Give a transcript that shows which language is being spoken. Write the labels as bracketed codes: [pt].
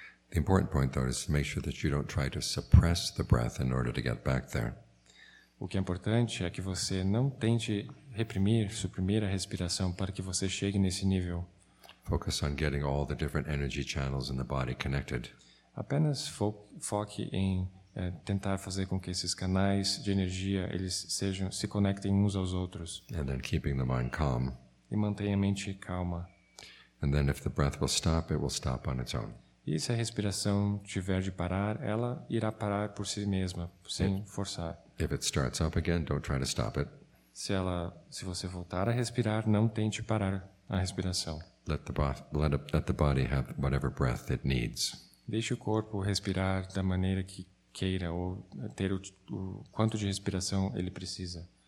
[en] The important point, though, is to make sure that you don't try to suppress the breath in order to get back there. [pt] O que é importante é que você não tente reprimir, suprimir a respiração para que você chegue nesse nível. [en] Focus on getting all the different energy channels in the body connected. [pt] Apenas foque em tentar fazer com que esses canais de energia eles sejam se conectem uns aos outros. [en] And then keeping the mind calm. [pt] E mantenha a mente calma. [en] And then if the breath will stop, it will stop on its own. [pt] E se a respiração tiver de parar, ela irá parar por si mesma, sem forçar. [en] If it starts up again, don't try to stop it. [pt] Se você voltar a respirar, não tente parar a respiração. [en] Let the body have whatever breath it needs. [pt] Deixe o corpo respirar da maneira que queira ou ter o quanto de respiração ele precisa.